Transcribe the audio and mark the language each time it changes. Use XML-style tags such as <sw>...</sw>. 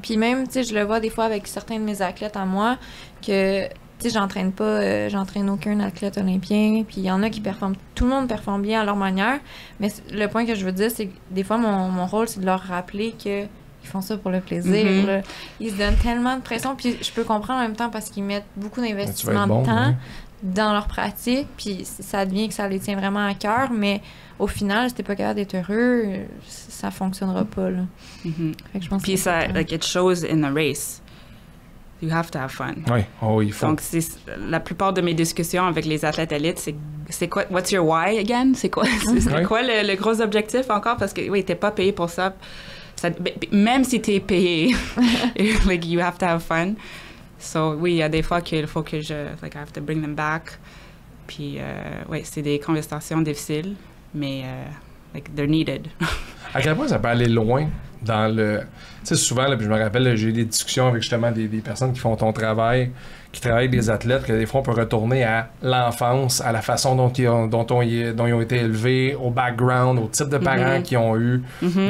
<fr>Puis même, tu sais, je le vois des fois avec certains de mes athlètes à moi, que, tu sais, j'entraîne pas, j'entraîne aucun athlète olympien, puis il y en a qui performent, tout le monde performe bien à leur manière, mais le point que je veux dire, c'est que des fois, mon rôle, c'est de leur rappeler qu'ils font ça pour le plaisir. Mm-hmm. Là. Ils se donnent tellement de pression, puis je peux comprendre en même temps parce qu'ils mettent beaucoup d'investissement de temps dans leur pratique, puis ça devient que ça les tient vraiment à cœur, mais au final, si t'es pas capable d'être heureux, ça fonctionnera pas, là. Mm-hmm. Puis ça,</fr> <en>like, it shows in the race. You have to have fun.</en> <fr>Oui, oh, il faut. Donc, c'est, la plupart de mes discussions avec les athlètes élites, c'est quoi,</fr> <en>what's your why again?</en> <fr>C'est quoi, quoi le gros objectif encore? Parce que, oui, t'es pas payé pour ça. Même si t'es payé,</fr> <en>like, you have to have fun.</en> <fr>So, oui, il y a des fois qu'il faut que je, like,</fr> <en>I have to bring them back.</en> <fr>Puis, oui, c'est des conversations difficiles. Mais, like,</fr> <en>they're needed.</en> <fr>À quel point ça peut aller loin dans le... Tu sais, souvent, là, puis je me rappelle, là, j'ai eu des discussions avec justement des personnes qui font ton travail, qui travaillent avec des athlètes, que des fois, on peut retourner à l'enfance, à la façon dont ils ont été élevés, au background, au type de parents qu'ils ont eu. Mm-hmm.</fr>